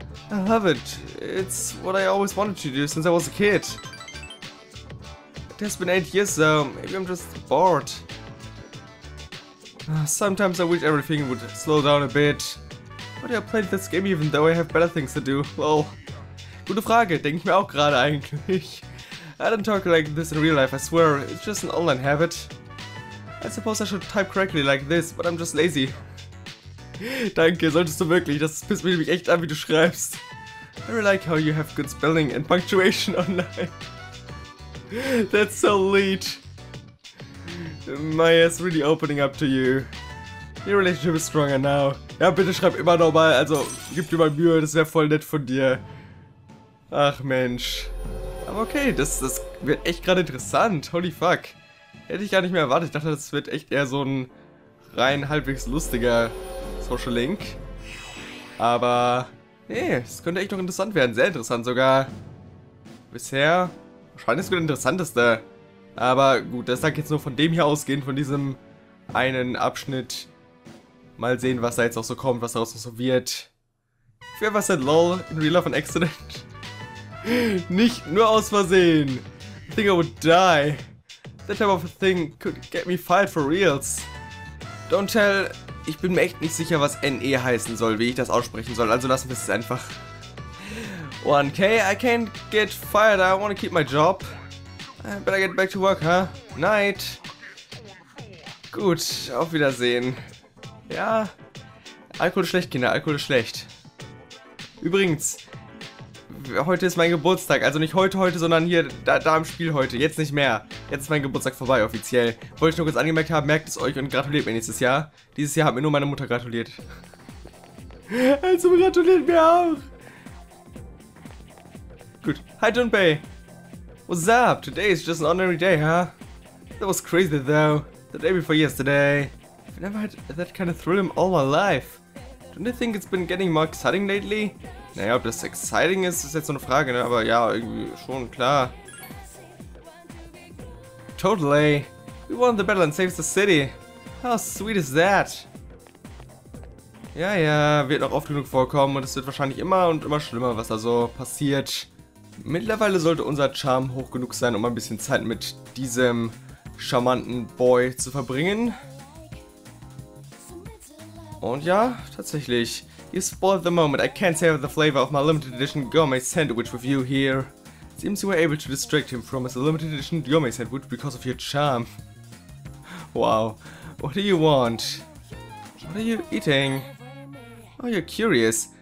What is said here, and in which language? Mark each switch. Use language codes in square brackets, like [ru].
[en] I love it. It's what I always wanted to do since I was a kid. It has been 8 years, so maybe I'm just bored. Sometimes I wish everything would slow down a bit. Why do I play this game even though I have better things to do? [de] Well, gute Frage, denke ich mir auch gerade eigentlich. [en] I don't talk like this in real life, I swear, it's just an online habit. I suppose I should type correctly like this, but I'm just lazy. [de] Danke, solltest du wirklich, das pisst mich nämlich echt an, wie du schreibst. [en] I really like how you have good spelling and punctuation online. That's so lead. Maya is really opening up to you. Your relationship is stronger now. [de] Ja, bitte schreib immer nochmal, also gib dir mal Mühe, das wäre voll nett von dir. Ach Mensch. Aber okay, das wird echt gerade interessant, [en] holy fuck. [de] Hätte ich gar nicht mehr erwartet, ich dachte, das wird echt eher so ein rein halbwegs lustiger Social Link. Aber, nee, es könnte echt noch interessant werden, sehr interessant sogar. Bisher, wahrscheinlich ist es das Interessanteste. Aber gut, das sagt jetzt nur von dem hier ausgehend, von diesem einen Abschnitt. Mal sehen, was da jetzt auch so kommt, was daraus noch so wird. [en] Wer was said lol in real life an accident? [de] Nicht nur aus Versehen. [en] I think I would die. That type of thing could get me fired for reals. Don't tell. [de] Ich bin mir echt nicht sicher, was NE heißen soll, wie ich das aussprechen soll. Also lassen wir es einfach. [en] 1K, I can't get fired. I want to keep my job. I better get back to work, huh? Night. [de] Gut, auf Wiedersehen. Ja, Alkohol ist schlecht, Kinder, Alkohol ist schlecht. Übrigens, heute ist mein Geburtstag, also nicht heute, sondern hier, da im Spiel heute, jetzt nicht mehr. Jetzt ist mein Geburtstag vorbei, offiziell. Wollte ich nur kurz angemerkt haben, merkt es euch und gratuliert mir nächstes Jahr. Dieses Jahr hat mir nur meine Mutter gratuliert. Also gratuliert mir auch. [en] Gut, hi Junpei. What's up? Today is just an ordinary day, huh? That was crazy though, the day before yesterday. I've never had that kind of thrill in all my life. Don't you think it's been getting more exciting lately? [de] Naja, ob das exciting ist, ist jetzt so eine Frage, ne? Aber ja, irgendwie schon, klar. [en] Totally. We won the battle and saved the city. How sweet is that? [de] Ja, ja, wird noch oft genug vorkommen und es wird wahrscheinlich immer und immer schlimmer, was da so passiert. Mittlerweile sollte unser Charme hoch genug sein, um ein bisschen Zeit mit diesem charmanten Boy zu verbringen. Und ja, tatsächlich. [en] You spoiled the moment. I can't save the flavor of my limited edition gourmet sandwich with you here. Seems you were able to distract him from his limited edition gourmet sandwich because of your charm. Wow. What do you want? What are you eating? Oh, you're curious.